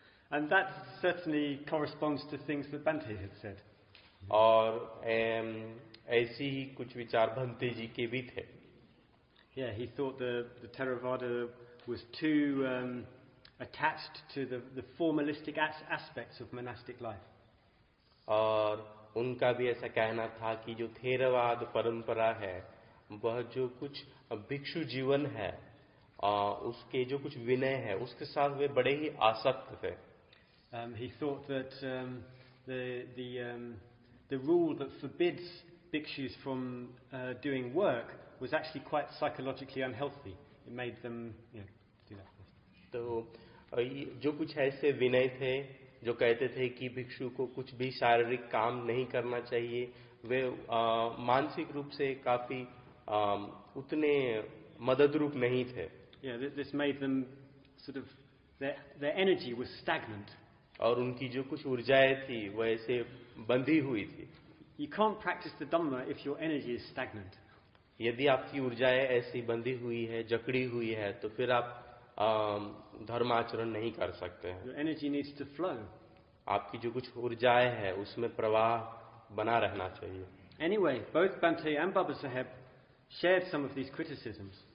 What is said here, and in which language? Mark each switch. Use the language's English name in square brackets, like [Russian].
[English] And that certainly corresponds to things that Bhante had said. [Hindi] और ऐसी ही कुछ विचार भंते जी के भी थे। [English] Yeah, he thought the Theravada was too attached to the formalistic aspects of monastic life. [Hindi] और उनका भी ऐसा कहना था कि जो थेरवाद परंपरा है वह जो कुछ भिक्षु जीवन है उसके जो कुछ विनय है उसके साथ वे बड़े ही आसक्त थे। [English] He thought that the rule that forbids bhikshus from doing work was actually quite psychologically unhealthy. It made them, do that. [Hindi] तो जो कुछ ऐसे विनय थे जो कहते थे कि भिक्षु को कुछ भी शारीरिक काम नहीं करना चाहिए वे मानसिक रूप से काफी उतने मदद रूप नहीं थे। [English] Yeah, this made them sort of their energy was stagnant. [Hindi] और उनकी जो कुछ ऊर्जाएं थी वह ऐसे बंधी हुई थी। [English] You can't practice the Dhamma if your energy is stagnant. [Hindi] यदि आपकी ऊर्जाएं ऐसी बंधी हुई है जकड़ी हुई है तो फिर आप धर्माचरण नहीं कर सकते हैं। [English] Your energy needs to flow. [Hindi] आपकी जो कुछ ऊर्जाएं हैं उसमें प्रवाह बना रहना चाहिए। [English] Anyway, both Bhante and Baba Saheb shared some of these criticisms.